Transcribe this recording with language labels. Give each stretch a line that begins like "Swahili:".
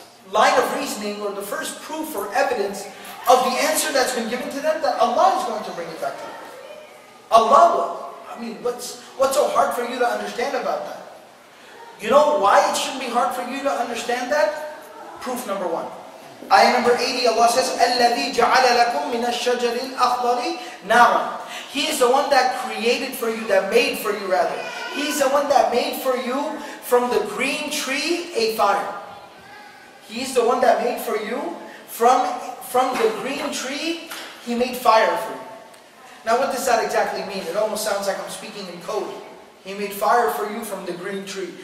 English: line of reasoning or the first proof or evidence of the answer that's been given to them that Allah is going to bring it back to them. Allah will. I mean, what's so hard for you to understand about that? You know why it shouldn't be hard for you to understand that? Proof number one. Ayah number 80, Allah says,
Arabic: الَّذِي جَعَلَ لَكُم مِّنَ الشَّجَرِ الْأَخْضَرِ نَعْمًا.
English: He is the one that created for you, that made for you rather. He is the one that made for you from the green tree a fire. He is the one that made for you from the green tree, He made fire for you. Now what does that exactly mean? It almost sounds like I'm speaking in code. He made fire for you from the green tree.